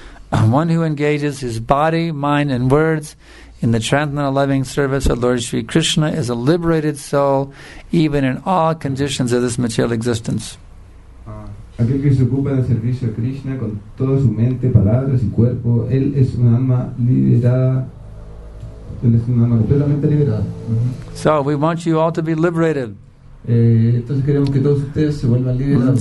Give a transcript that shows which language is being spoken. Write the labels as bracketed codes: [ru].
[en] One who engages his body, mind, and words in the transcendental loving service of Lord Sri Krishna is a liberated soul even in all conditions of this material existence. [es] Aquel que se ocupa del servicio a Krishna con toda su mente, palabras y cuerpo, él es un alma liberada. Él es un alma completamente liberada. [en] So we want you all to be liberated. [es] Entonces queremos que todos ustedes se vuelvan liberados.